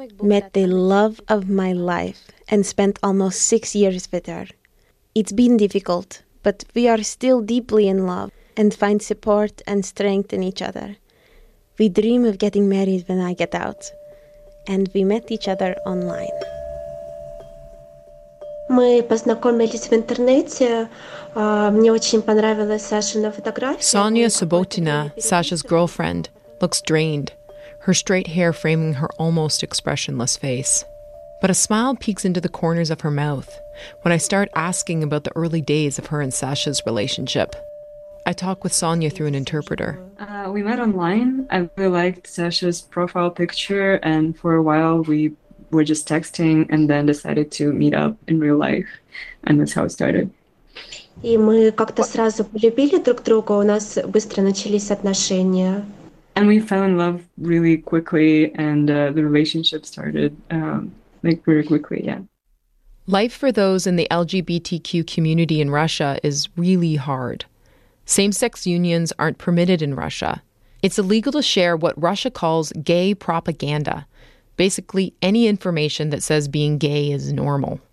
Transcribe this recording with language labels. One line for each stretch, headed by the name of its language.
English: Met the love of my life and spent almost 6 years with her. It's been difficult, but we are still deeply in love and find support and strength in each other. We dream of getting married when I get out. And we met each other online.
Russian: Мы познакомились в интернете. Мне очень понравилась Сашина фотография.
English: Sonia Subotina, Sasha's girlfriend, looks drained, her straight hair framing her almost expressionless face. But a smile peeks into the corners of her mouth when I start asking about the early days of her and Sasha's relationship. I talk with Sonia through an interpreter. We met online. I really liked Sasha's profile picture, and for a while we were just texting and then decided to meet up in real life. And that's how it started.
Russian: И мы как-то сразу полюбили друг друга, у нас быстро начались отношения.
English: And we fell in love really quickly, and the relationship started very quickly, yeah. Life for those in the LGBTQ community in Russia is really hard. Same-sex unions aren't permitted in Russia. It's illegal to share what Russia calls gay propaganda, basically any information that says being gay is normal.